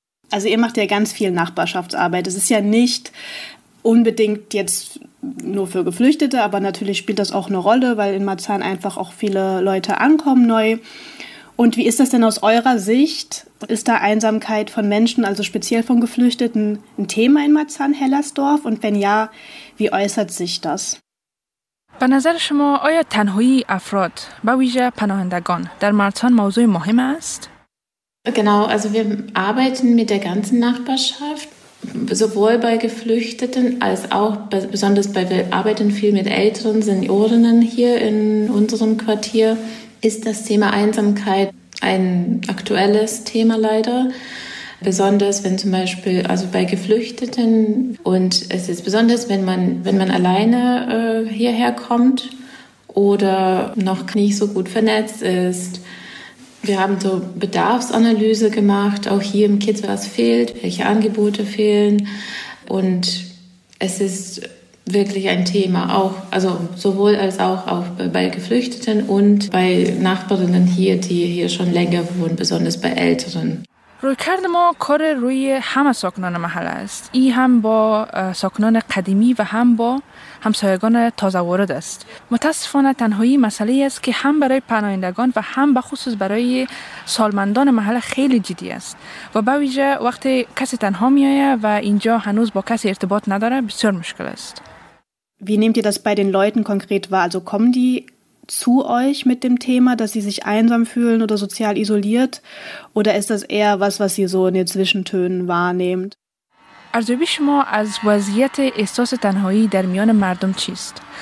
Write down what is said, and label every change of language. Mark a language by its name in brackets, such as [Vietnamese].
[German] Also ihr macht ja ganz viel Nachbarschaftsarbeit. Es ist ja nicht unbedingt jetzt nur für Geflüchtete, aber natürlich spielt das auch eine Rolle, weil in Mazan einfach auch viele Leute ankommen neu. Und wie ist das denn aus eurer Sicht? Ist da Einsamkeit von Menschen, also speziell von Geflüchteten, ein Thema in Mazan-Hellersdorf? Und wenn ja, wie äußert sich das? [Persian] به نظر شما آیا تنهایی افراد با ویژه پناهندگان در مارسان موضوع مهم است؟ [German] Genau, also wir arbeiten mit der ganzen Nachbarschaft, sowohl bei Geflüchteten als auch besonders bei wir arbeiten viel mit älteren Seniorinnen hier in unserem Quartier, ist das Thema Einsamkeit ein aktuelles Thema leider. Besonders wenn zum Beispiel, also bei Geflüchteten, und es ist besonders, wenn man alleine hierher kommt oder noch nicht so gut vernetzt ist. Wir haben so Bedarfsanalyse gemacht, auch hier im Kiez, was fehlt, welche Angebote fehlen. Und es ist wirklich ein Thema, auch, also sowohl als auch bei Geflüchteten und bei Nachbarinnen hier, die hier schon länger wohnen, besonders bei Älteren. [Persian] روی کرد ما کار روی همه ساکنان محله است. ای هم با ساکنان قدیمی و هم با همسایگان تازه وارد است. متاسفانه تنهایی مسئله است که هم برای پناهندگان و هم بخصوص برای سالمندان محله خیلی جدی است. و به ویژه وقتی کسی تنها میآید و اینجا هنوز با کسی ارتباط نداره بسیار مشکل است. [German] Wie nehmt ihr das bei den Leuten konkret wahr? Also kommen die zu euch mit dem Thema, dass sie sich einsam fühlen oder sozial isoliert? Oder ist das eher was, was ihr so in den Zwischentönen wahrnehmt? Also wie schon mal als Wasiert ist das Tanhoi der Mion Mardum Chist.